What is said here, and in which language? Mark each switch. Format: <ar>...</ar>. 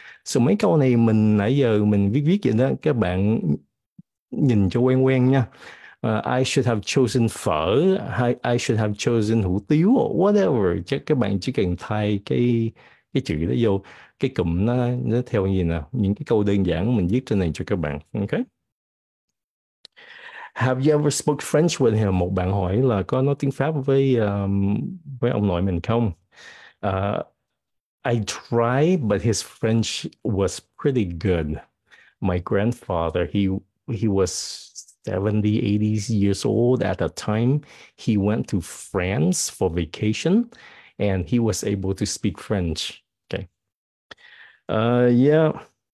<vi>So mấy câu này mình nãy giờ mình viết viết vậy đó, các bạn nhìn cho quen quen nha.</vi> <en>I should have chosen phở, I should have chosen hủ tiếu, whatever.</en> <vi>Chắc các bạn chỉ cần thay cái chữ đó vô, cái cụm nó theo như nào, những cái câu đơn giản mình viết trên này cho các bạn. Okay.</vi> <en>Have you ever spoke French with him?</en> <vi>Một bạn hỏi là có nói tiếng Pháp với ông nội mình không?</vi> <en>I tried, but his French was pretty good. My grandfather, he was 70, 80 years old at the time. He went to France for vacation and he was able to speak French. Okay. Yeah.</en>